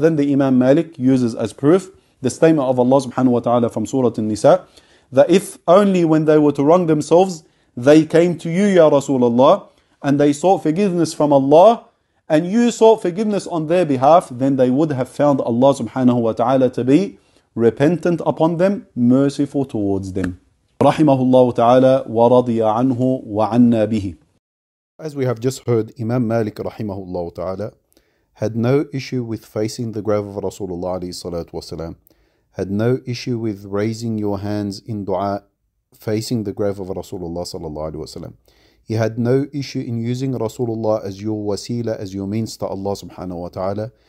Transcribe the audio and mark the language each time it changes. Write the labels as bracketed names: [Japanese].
[English] Then the Imam Malik uses as proof the statement of Allah subhanahu wa ta'ala from Surah An-Nisa, that if only when they were to wrong themselves, they came to you, Ya Rasulullah, and they sought forgiveness from Allah, and you sought forgiveness on their behalf, then they would have found Allah subhanahu wa ta'ala to be repentant upon them, merciful towards them. [Arabic] رَحِمَهُ ta'ala وَرَضِيَ عَنْهُ وَعَنَّا بِهِ. [English] As we have just heard, Imam Malik rahimahullah ta'ala had no issue with facing the grave of Rasulullah alayhi salatu wasalam, had no issue with raising your hands in dua facing the grave of Rasulullah sallallahu alayhi wasalam. He had no issue in using Rasulullah as your wasila, as your means to Allah subhanahu wa ta'ala.